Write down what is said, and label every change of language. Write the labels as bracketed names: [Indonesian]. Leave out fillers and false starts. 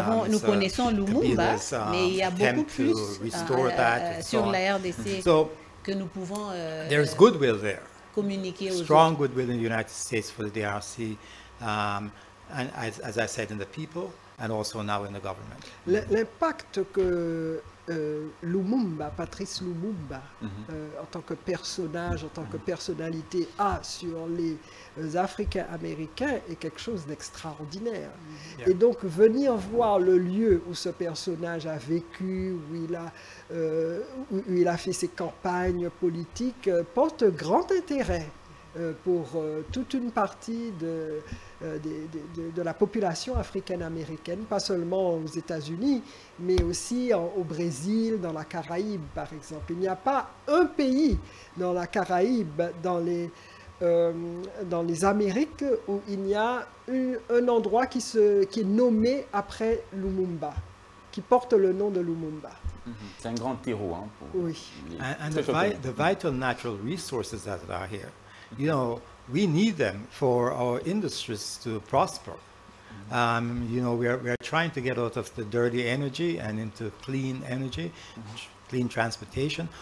[French] Nous connaissons Lumumba, mais il y a beaucoup plus sur la RDC que nous pouvons [English] There is goodwill there. [French] communiquer aux strong autres. [English] Goodwill in the United States for the DRC, and as I said, in the people, and also now in the government. [French] L'impact que Lumumba, Patrice Lumumba, en tant que personnage, en tant que personnalité, a sur les Africains-Américains est quelque chose d'extraordinaire. Et donc, venir voir le lieu où ce personnage a vécu, où il a fait ses campagnes politiques, porte grand intérêt pour toute une partie de la population africaine-américaine, pas seulement aux États-Unis, mais aussi au Brésil, dans la Caraïbe, par exemple. Il n'y a pas un pays dans la Caraïbe, dans les Amériques, où il y a un endroit qui est nommé après Lumumba, qui porte le nom de Lumumba. C'est un grand terreau. Oui. [English] And the vital natural resources that are here, you know, we need them for our industries to prosper. You know, we are trying to get out of the dirty energy and into clean energy, clean transportation.